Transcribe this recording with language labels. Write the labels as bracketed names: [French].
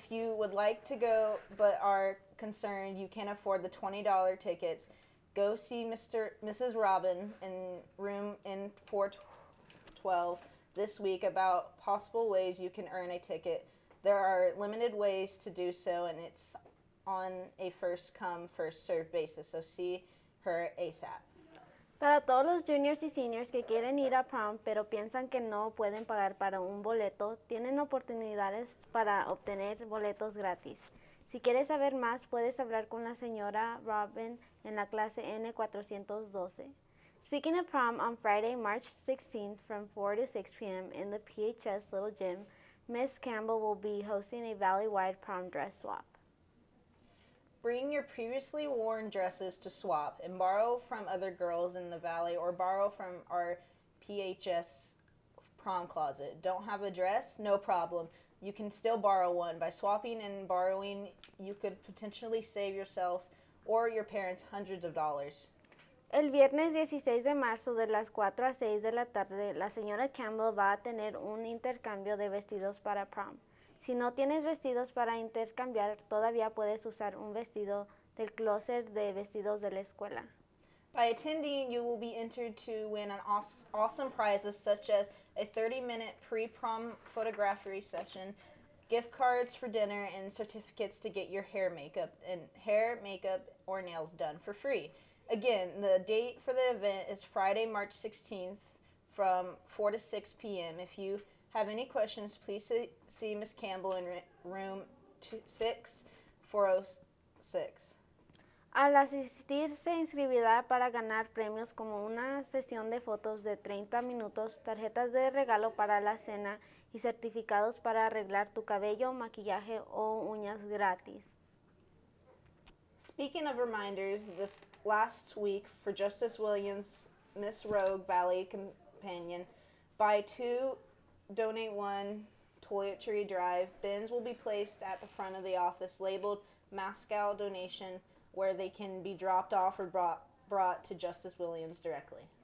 [English] If you would like to go but are concerned you can't afford the $20 tickets, go see Mrs. Robin in room in 412 this week about possible ways you can earn a ticket. There are limited ways to do so, and it's on a first-come, first-served basis, so see her ASAP. [Spanish] Para todos los juniors y seniors que quieren ir a prom pero piensan que no pueden pagar para un boleto, tienen oportunidades para obtener boletos gratis. Si quieres saber más, puedes hablar con la señora Robin en la clase N412. [English] Speaking of prom, on Friday, March 16th from 4 to 6 p.m. in the PHS Little Gym, Miss Campbell will be hosting a valley-wide prom dress swap. Bring your previously worn dresses to swap and borrow from other girls in the valley or borrow from our PHS prom closet. Don't have a dress? No problem. You can still borrow one. By swapping and borrowing, you could potentially save yourselves or your parents hundreds of dollars. [Spanish] El viernes 16 de marzo de las 4 a 6 de la tarde, la señora Campbell va a tener un intercambio de vestidos para prom. Si no tienes vestidos para intercambiar, todavía puedes usar un vestido del closet de vestidos de la escuela. [English] By attending, you will be entered to win an awesome prizes such as a 30-minute pre-prom photography session, gift cards for dinner, and certificates to get your hair, makeup, or nails done for free. Again, the date for the event is Friday, March 16th from 4 to 6 p.m. If you have any questions, please see Ms. Campbell in room 6406. [Spanish] Al asistir, se inscribirá para ganar premios como una sesión de fotos de 30 minutos, tarjetas de regalo para la cena y certificados para arreglar tu cabello, maquillaje o uñas gratis. [English] Speaking of reminders, this last week for Justice Williams, Miss Rogue Valley Companion, by 2 Donate One Toiletry Drive, bins will be placed at the front of the office labeled Mascal Donation, where they can be dropped off or brought to Justice Williams directly.